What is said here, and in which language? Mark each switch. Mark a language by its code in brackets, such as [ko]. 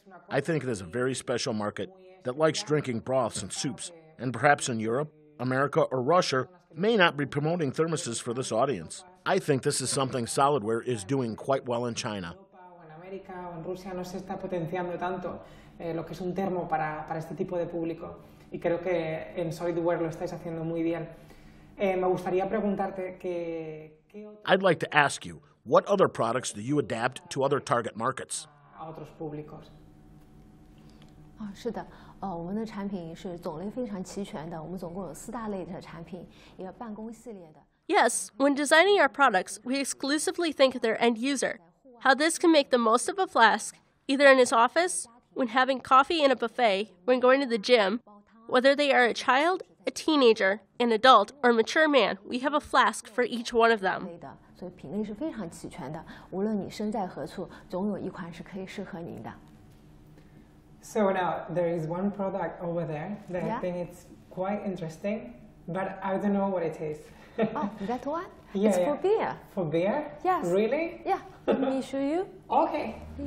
[en] I think it is a very special market that likes drinking broths and soups, and perhaps in Europe, America, or Russia may not be promoting thermoses for this audience. I think this is something Solidware is doing quite well in China. [es] En Rusia no se está potenciando tanto lo que es un termo para este tipo de público y creo que en Solidware lo estáis haciendo muy bien. Me gustaría preguntarte que. [en] I'd like to ask you, what other products do you adapt to other target markets? [es] A otros públicos. [zh] 是的，我们的产品是种类非常齐全的。我们总共有四大类的产品，一个办公系列的。 [en] Yes, when designing our products, we exclusively think of their end user. How this can make the most of a flask, either in his office, when having coffee in a buffet, when going to the gym, whether they are a child, a teenager, an adult, or a mature man, we have a flask for each one of them. [zh] So, 品类是非常齐全的，无论你身在何处，总有一款是可以适合您的。 [en] So now, there is one product over there that I think it's quite interesting, but I don't know what it is. Oh, that one? Yeah, it's for beer. For beer? Yes. Really? Yeah. Let me show you. Okay.